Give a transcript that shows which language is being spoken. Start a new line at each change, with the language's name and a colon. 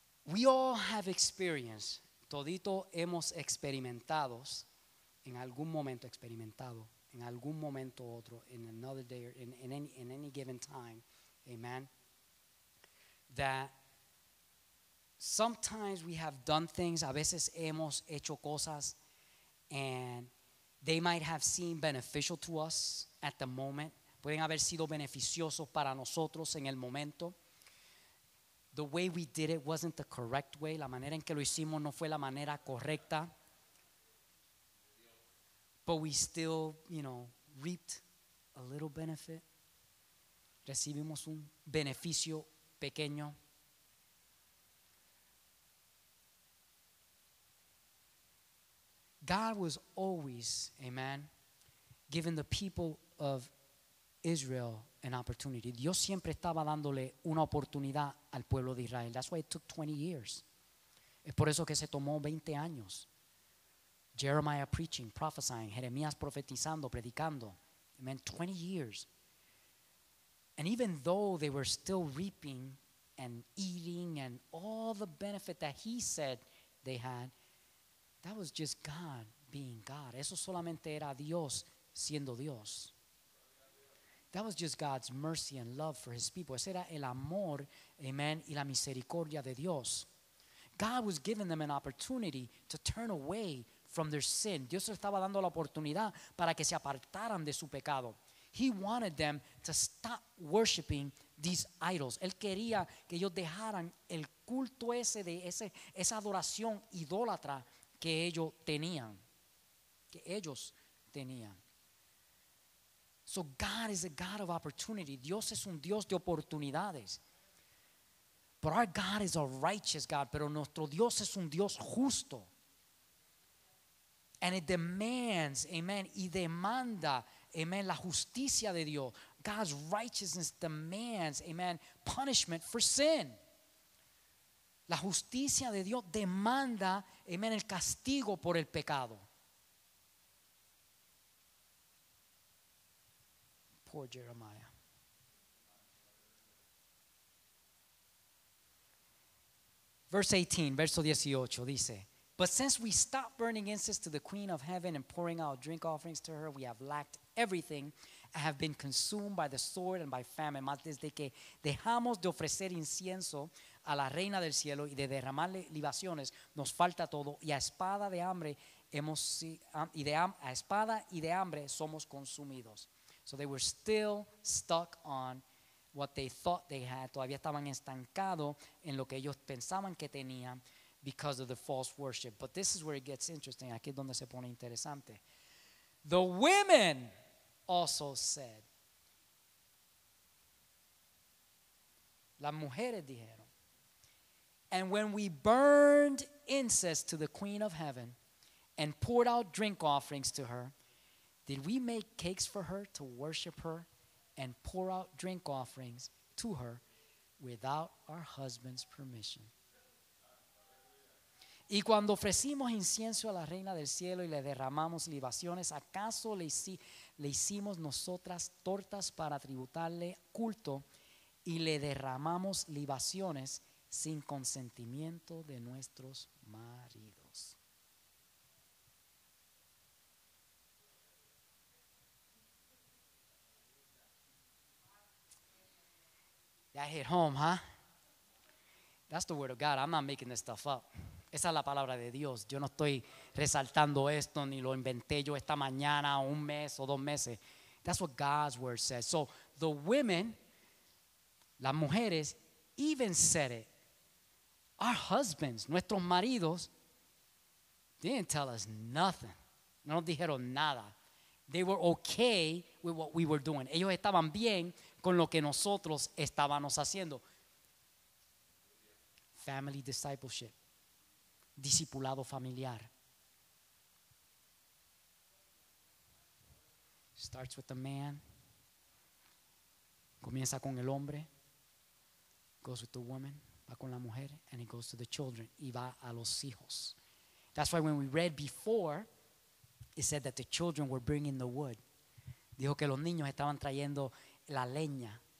English: We all have experienced,
Spanish: todito hemos experimentados, en algún momento experimentado, en algún momento otro,
English: in another day, or in any given time, amen, that sometimes we have done things,
Spanish: a veces hemos hecho cosas,
English: and they might have seemed beneficial to us at the moment,
Spanish: pueden haber sido beneficiosos para nosotros en el momento.
English: The way we did it wasn't the correct way.
Spanish: La manera en que lo hicimos no fue la manera correcta.
English: But we still, you know, reaped a little benefit.
Spanish: Recibimos un beneficio pequeño.
English: God was always, amen, giving the people of Israel an opportunity.
Spanish: Dios siempre estaba dándole una oportunidad al pueblo de Israel.
English: That's why it took 20 years.
Spanish: Es por eso que se tomó 20 años.
English: Jeremiah preaching, prophesying,
Spanish: Jeremías profetizando, predicando.
English: Amen. 20 years. And even though they were still reaping and eating and all the benefit that he said they had, that was just God being God.
Spanish: Eso solamente era Dios siendo Dios.
English: That was just God's mercy and love for his people.
Spanish: Ese era el amor, amen, y la misericordia de Dios.
English: God was giving them an opportunity to turn away from their sin.
Spanish: Dios estaba dando la oportunidad para que se apartaran de su pecado.
English: He wanted them to stop worshiping these idols.
Spanish: Él quería que ellos dejaran el culto ese de ese, esa adoración idólatra que ellos tenían. Que ellos tenían.
English: So God is a God of opportunity.
Spanish: Dios es un Dios de oportunidades.
English: But our God is a righteous God.
Spanish: Pero nuestro Dios es un Dios justo.
English: And it demands,
Spanish: amen, y demanda, amen, la justicia de Dios.
English: God's righteousness demands, amen, punishment for sin.
Spanish: La justicia de Dios demanda, amen, el castigo por el pecado.
English: Poor Jeremiah.
Spanish: Verso 18 dice,
English: but since we stopped burning incense to the queen of heaven and pouring out drink offerings to her, we have lacked everything and have been consumed by the sword and by famine.
Spanish: Más desde que dejamos de ofrecer incienso a la reina del cielo y de derramarle libaciones, nos falta todo y a espada y de hambre somos consumidos.
English: So they were still stuck on what they thought they had.
Spanish: Todavía estaban estancados en lo que ellos pensaban que tenían
English: because of the false worship. But this is where it gets interesting.
Spanish: Aquí es donde se pone interesante.
English: The women also said.
Spanish: Las mujeres dijeron.
English: And when we burned incense to the queen of heaven and poured out drink offerings to her, did we make cakes for her to worship her and pour out drink offerings to her without our husband's permission?
Spanish: Y cuando ofrecimos incienso a la reina del cielo y le derramamos libaciones, ¿acaso le hicimos nosotras tortas para tributarle culto y le derramamos libaciones sin consentimiento de nuestros maridos?
English: That hit home, huh? That's the word of God. I'm not making this stuff up.
Spanish: Esa es la palabra de Dios. Yo no estoy resaltando esto ni lo inventé yo esta mañana o un mes o dos meses.
English: That's what God's word says. So the women,
Spanish: las mujeres,
English: even said it. Our husbands,
Spanish: nuestros maridos,
English: didn't tell us nothing.
Spanish: No nos dijeron nada.
English: They were okay with what we were doing.
Spanish: Ellos estaban bien con lo que nosotros estábamos haciendo.
English: Family discipleship.
Spanish: Discipulado familiar.
English: Starts with the man,
Spanish: Comienza con el hombre,
English: goes with the woman,
Spanish: va con la mujer,
English: and he goes to the children,
Spanish: y va a los hijos.
English: That's why when we read before, it said that the children were bringing the wood.
Spanish: Dijo que los niños estaban trayendo la leña.